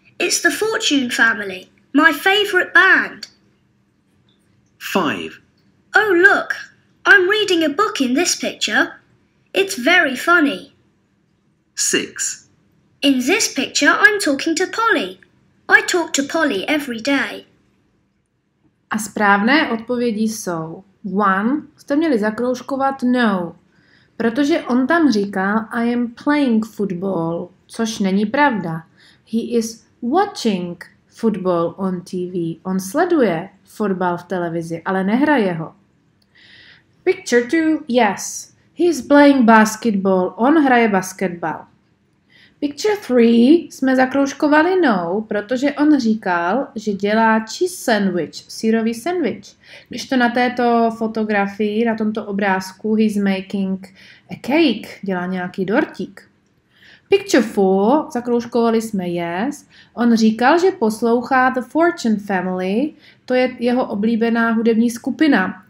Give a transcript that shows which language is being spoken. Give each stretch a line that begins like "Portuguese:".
English: It's the Fortune Family, my favorite band. 5. Oh, look. I'm reading a book in this picture. It's very funny. 6. In this picture, I'm talking to Polly. I talk to Polly every day.
Czech: A správné odpovědi jsou: 1. Jste měli zakroužkovat no, protože on tam říkal
English: I am playing football,
Czech: což není pravda.
English: He is watching football on TV.
Czech: On sleduje fotbal v televizi, ale nehraje ho.
English: Picture 2. Yes. He is playing basketball.
Czech: On hraje basketbal.
English: Picture 3.
Czech: Jsme zakroužkovali no, protože on říkal, že dělá cheese sandwich, sýrový sandwich. Když to na této fotografii, na tomto obrázku,
English: he is making a cake,
Czech: dělá nějaký dortík.
English: Picture 4,
Czech: zakroužkovali jsme yes, on říkal, že poslouchá The Fortune Family, to je jeho oblíbená hudební skupina.